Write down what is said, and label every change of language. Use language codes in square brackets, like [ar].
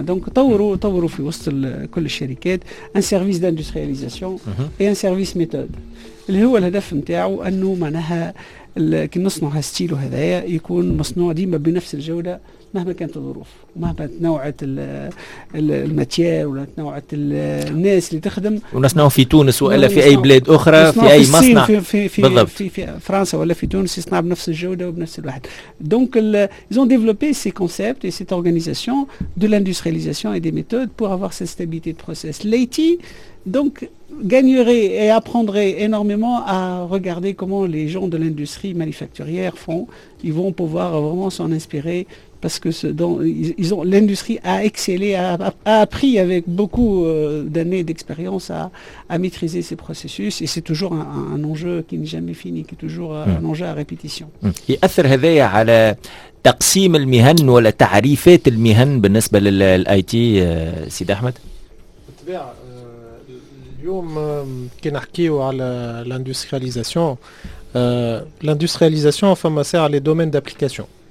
[ar] دونك طوروا في وسط كل الشركات ان سيرفيس داندستريالزاسيون اي ان سيرفيس ميثود اللي هو الهدف نتاعو انه معناها كي نصنع هالستيلو هذايا يكون مصنوع ديما بنفس الجودة مهما كانت الظروف ومهما تنوعت الماتيار ولا تنوعت الناس اللي تخدم. ونصنعوا في تونس ولا في اي بلاد اخرى في اي مصنع في بالضبط في فرنسا ولا في تونس يصنع بنفس الجوده وبنفس الواحد. [fr] دونك ils ont développé ces concepts et cette organisation de l'industrialisation et des méthodes pour avoir cette stabilité de process. L'IT donc gagnerait et apprendrait énormément à regarder comment les gens de l'industrie manufacturière font. Ils vont pouvoir vraiment s'en inspirer parce que l'industrie a excellé, a appris avec beaucoup d'années d'expérience à maîtriser ces processus, et c'est toujours un enjeu qui n'est jamais fini, qui est toujours un enjeu à répétition. [ar] يأثر هذا على تقسيم المهن ولا تعريفات المهن بالنسبة للاي تي سيد أحمد؟ بالطبيعة اليوم كي نحكيو على الاندستريالزاسيون الاندستريالزاسيون فما سير على دومين دابليكاسيون.